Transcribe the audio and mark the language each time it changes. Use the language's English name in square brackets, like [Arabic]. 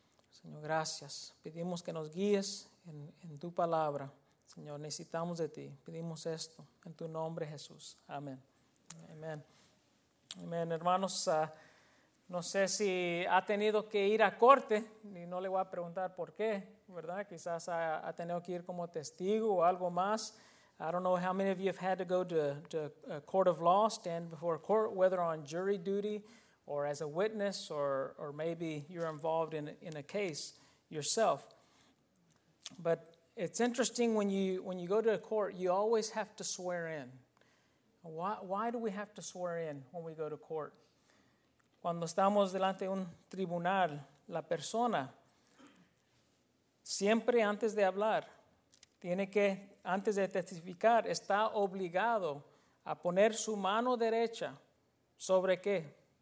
[Spanish] Señor, gracias. Pedimos que nos guíes en tu palabra, Señor. Necesitamos de ti. Pedimos esto en tu nombre, Jesús. Amén. Amén. Amén, hermanos. No sé si ha tenido que ir a corte, y no le voy a preguntar por qué, ¿verdad? Quizás ha tenido que ir como testigo o algo más. [English] I don't know how many of you have had to go to a court of law, stand before a court, whether on jury duty or as a witness, or maybe you're involved in a case yourself. But it's interesting when you go to a court, you always have to swear in. Why do we have to swear in when we go to court? [Spanish] Cuando estamos delante de un tribunal, la persona siempre antes de hablar tiene que, antes de testificar, está obligado a poner su mano derecha sobre ¿qué?